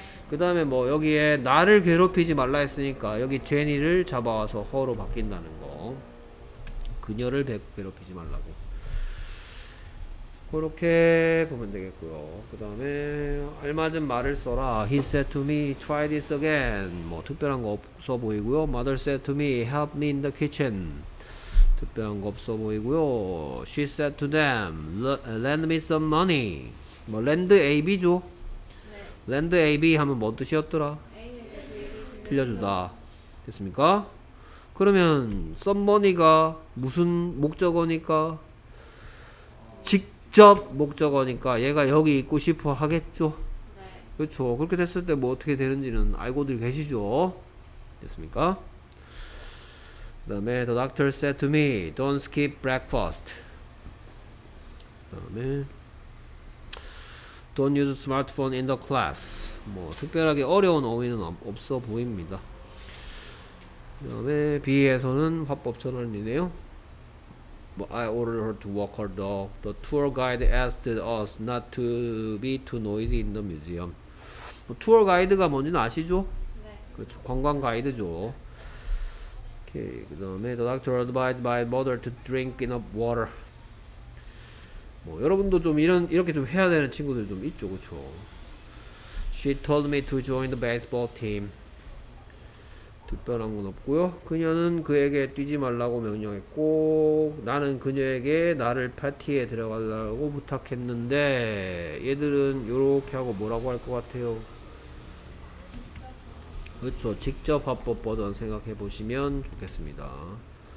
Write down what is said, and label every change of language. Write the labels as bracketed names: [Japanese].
[Korean] 그 다음에 뭐 여기에 나를 괴롭히지 말라 했으니까 여기 제니를 잡아와서 허로 바뀐다는 거. 그녀를 괴롭히지 말라고. 그렇게 보면 되겠고요. 그 다음에 알맞은 말을 써라. [English] He said to me, try this again. [Korean] 뭐 특별한 거 없어 보이고요. [English] Mother said to me, help me in the kitchen. [Korean] 특별한 거 없어 보이고요. [English] She said to them, lend me some money. [Korean] 뭐 lend AB죠. 랜드 AB 하면 뭔 뜻이었더라? A, 빌려주다. 됐습니까? 그러면 썸머니가 무슨 목적어니까? 직접 목적어니까 얘가 여기 있고 싶어 하겠죠? 네. 그렇죠. 그렇게 됐을 때 뭐 어떻게 되는지는 알고들 계시죠? 됐습니까? 그 다음에 [English] The doctor said to me, don't skip breakfast. [Korean] 그 다음에 [English] Don't use smartphone in the class. [Korean] 뭐 특별하게 어려운 어휘는 없어 보입니다. 그 다음에 B에서는 화법 전환이네요. [English] I ordered her to walk her dog. The tour guide asked us not to be too noisy in the museum. [Korean] 뭐, tour guide가 뭔지는 아시죠? 네. 그렇죠. 관광 가이드죠. 오케이. 그 다음에 [English] The doctor advised my mother to drink enough water. [Korean] 뭐 여러분도 좀 이렇게 좀 해야 되는 친구들 좀 있죠. 그쵸? [English] She told me to join the baseball team. [Korean] 특별한 건 없고요. 그녀는 그에게 뛰지 말라고 명령했고 나는 그녀에게 나를 파티에 들어가려고 부탁했는데 얘들은 요렇게 하고 뭐라고 할 것 같아요? 그쵸. 직접 합법 버전 생각해 보시면 좋겠습니다.